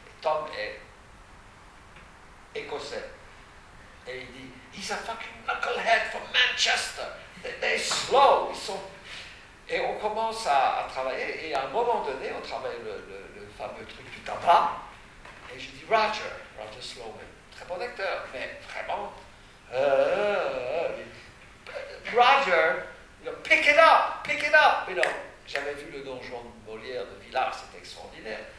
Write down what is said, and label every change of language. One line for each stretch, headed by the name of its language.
French: Tom est écossais. Et il dit,
English: he's a fucking knucklehead from Manchester. They're slow.
French: Ils sont... Et on commence à travailler, et à un moment donné, on travaille le fameux truc du tabac. Et je dis, Roger Sloan, très bon acteur, mais vraiment...
English: Roger, you know, pick it up, you know.
French: J'avais vu le donjon de Molière de Villars, c'était extraordinaire.